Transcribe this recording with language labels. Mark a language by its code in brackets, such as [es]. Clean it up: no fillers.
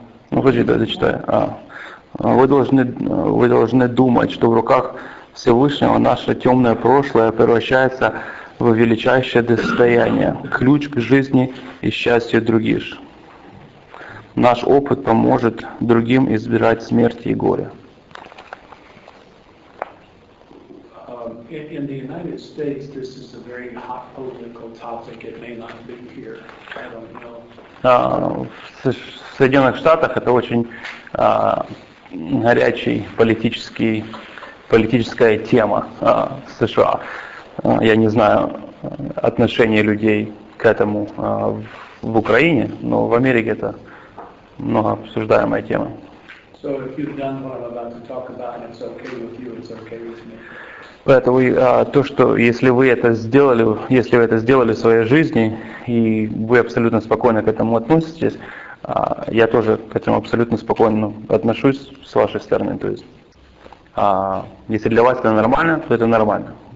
[ru] Ну, хочу это читать. Вы должны думать, что в руках Всевышнего наше темное прошлое превращается в величайшее достояние, ключ к жизни и счастью других. Наш опыт поможет другим избежать смерти и горя. [en] In the United States, this is a very hot political topic. It may not be here. I don't know. [ru] В Соединенных Штатах это очень горячий политическая тема США. Я не знаю отношения людей к этому в Украине, но в Америке это много обсуждаемая тема. [en] So if you've done what I'm about to talk about, it's okay with you, it's okay with me. [ru] Поэтому то, что если вы это сделали, если вы это сделали в своей жизни, и вы абсолютно спокойно к этому относитесь, я тоже к этому абсолютно спокойно отношусь с вашей стороны. То есть если для вас это нормально, то это нормально.